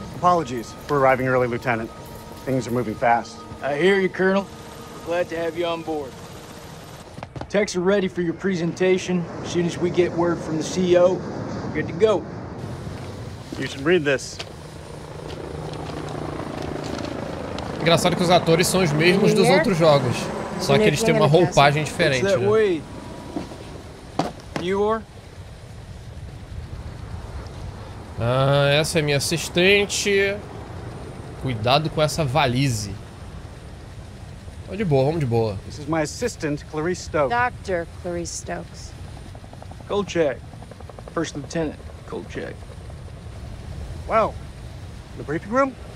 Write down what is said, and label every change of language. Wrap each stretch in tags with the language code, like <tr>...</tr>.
<en>Apologies for arriving early, Lieutenant. Things are moving fast. I hear you, Colonel. We're glad to have you on board. Techs are ready for your presentation. As soon as we get word from the CEO, we're good to go. You should read this.</en> <pt>Engraçado que os atores são os mesmos dos outros jogos. Só que eles têm uma roupagem diferente. Né?</pt> <en>You are?</en> <pt>Ah, essa é minha assistente. Cuidado com essa valise. Vamos de boa, vamos de boa.</pt> <en>This is my assistant, Clarice Stokes. Dr. Clarice Stokes. Kolchak. First Lieutenant Kolchak. Well, the briefing room?</en>